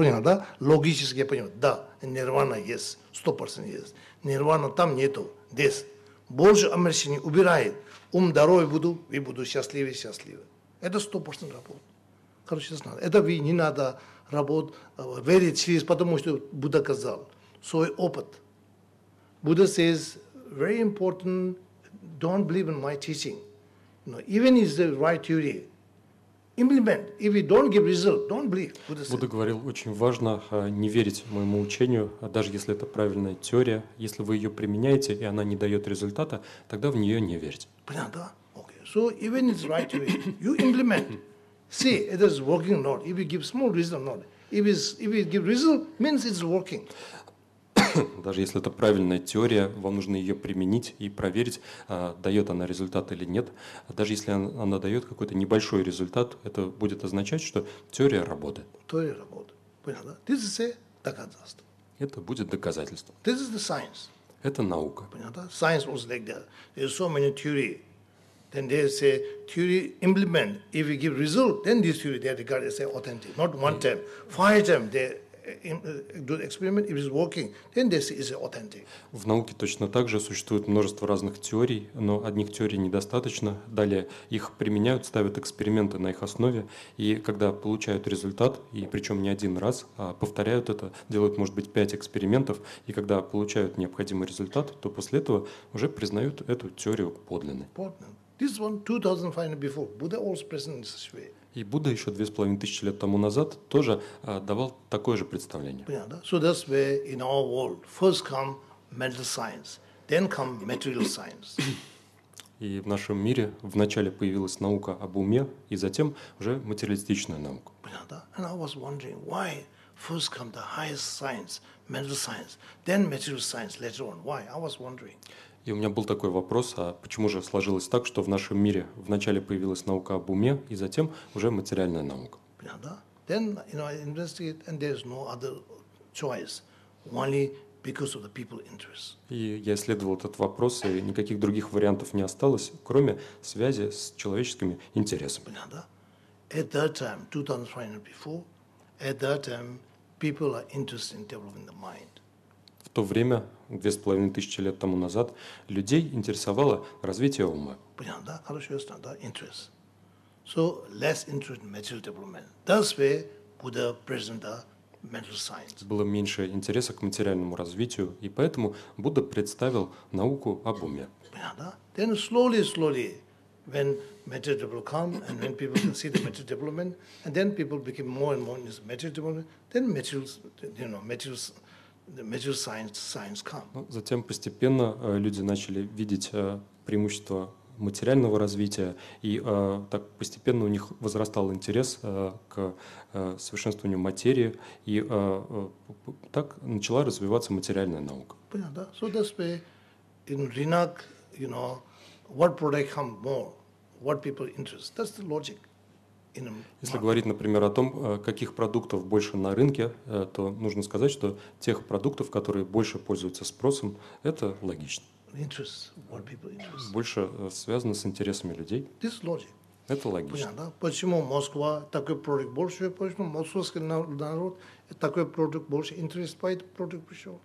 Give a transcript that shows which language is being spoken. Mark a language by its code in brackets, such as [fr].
[ru] Понятно, да? Логически я понимаю. Да, нирвана есть, 100% есть. Нирвана там нету, здесь. Божье омрачение убирает. Ум здоровый буду, и буду счастливее, счастливее. Это 100% работа. Короче, знаю. Это вы не надо работать, верить через, потому что Будда сказал, свой опыт. [en] Будда says, very important, don't believe in my teaching. You know, even if it's the right theory, implement. If you don't give result, don't believe. [ru] Будда говорил, очень важно не верить моему учению, даже если это правильная теория. Если вы ее применяете, и она не дает результата, тогда в нее не верьте. Понятно, да? [en] Okay. So, even it's right to you implement. See, it is working not. If you give small result, not. If it give result, means it's working. [ru] даже если это правильная теория, вам нужно ее применить и проверить, дает она результат или нет. Даже если она дает какой-то небольшой результат, это будет означать, что теория работает. Теория работает. Понятно? [en] This is a [ru] доказательство. Это будет доказательство. [en] This is the science. [ru] Это наука. Понятно? [en] Science was like that. There's so many theory. Then they say theory implement. If you give result, then this theory they regard as authentic. Not one time, five times they do the experiment. If it's working, then this is authentic. [ru] В науке точно так же существует множество разных теорий, но одних теорий недостаточно. Далее их применяют, ставят эксперименты на их основе, и когда получают результат, и причем не один раз, а повторяют это, делают, может быть, пять экспериментов, и когда получают необходимый результат, то после этого уже признают эту теорию подлинной. Подлинной. [en] This one 2500 before Buddha was present in this way. [ru] И Будда еще 2500 лет тому назад тоже давал такое же представление. Понятно? [en] So that's where in our world first come mental science, then come material science. [ru] И в нашем мире вначале появилась наука об уме, и затем уже материалистичная наука. Понятно? [en] And I was wondering why first come the highest science, mental science, then material science later on. Why? I was wondering. [ru] И у меня был такой вопрос, а почему же сложилось так, что в нашем мире вначале появилась наука об уме, и затем уже материальная наука? Понятно? [en] Then, you know, I investigate, and there's no other choice, only because of the people interest. [ru] И я исследовал этот вопрос, и никаких других вариантов не осталось, кроме связи с человеческими интересами. Понятно? [en] At that time, 2000 before, at that time, people are interested in developing the mind. [ru] В то время, 2500 лет тому назад, людей интересовало развитие ума. Понятно, да? Хорошо, ясно, да? [en] Interest. So, less interest in material development. That's where Buddha presented the mental science. [ru] Было меньше интереса к материальному развитию, и поэтому Будда представил науку об уме. Понятно, да? [en] Then slowly, slowly, when material development come, and when people can see the material development, and then people became more and more into material development, then materials, you know, materials... The material science come. [ru] Ну, затем постепенно люди начали видеть преимущества материального развития, и так постепенно у них возрастал интерес к совершенствованию материи, и так начала развиваться материальная наука. Понятно, да? [en] So that's why in Rinak, you know, what product come more, what people interest, that's the logic. [ru] Если говорить, например, о том, каких продуктов больше на рынке, то нужно сказать, что тех продуктов, которые больше пользуются спросом, это логично. [en] Interest, what people interest. [ru] Больше связано с интересами людей. [en] This logic. [ru] Это логично. Понятно? Почему Москва такой продукт больше, почему московский народ такой продукт больше интересует по этому продукту пришел?